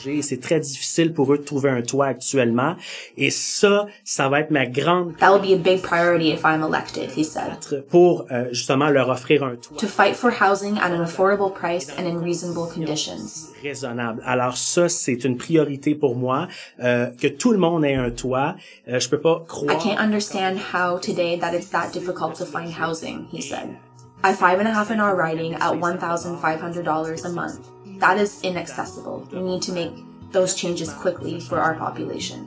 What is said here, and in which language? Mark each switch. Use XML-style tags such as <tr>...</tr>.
<fr>C'est très difficile pour eux de trouver un toit actuellement. Et ça, ça va être ma grande...</fr> <en>That will be a big priority if I'm elected, he said.</en> <fr>Pour justement leur offrir un toit.</fr> <en>To fight for housing at an affordable price and in reasonable conditions.</en> <fr>Raisonnable. Alors ça, c'est une priorité pour moi, que tout le monde ait un toit. Je peux pas croire...</fr> <en>I can't understand how today that it's that difficult to find housing, he said. At 5.5 an hour riding at $1,500 a month, that is inaccessible. We need to make those changes quickly for our population.</en>